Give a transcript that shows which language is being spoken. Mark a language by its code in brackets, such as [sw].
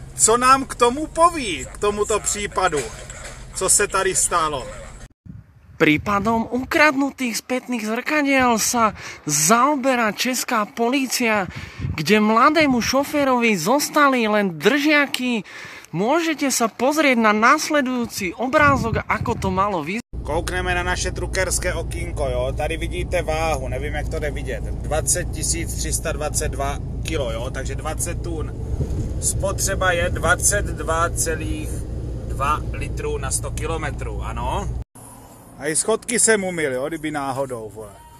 [cs] Co nám k tomu poví, k tomuto případu, co se tady stalo? [sk] Prípadom ukradnutých spätných zrkadiel sa zaoberá česká polícia, kde mladému šoférovi zostali len držiaky. Môžete sa pozrieť na nasledujúci obrázok, ako to malo vyzerať. [cs] Koukneme na naše trukerské okýnko, jo? Tady vidíte váhu, nevím, jak to jde vidět. 20 322 kg, jo? Takže 20 tun. Spotřeba je 22,2 litrů na 100 km, ano? A i schodky jsem umyl, jo? Kdyby náhodou, vole.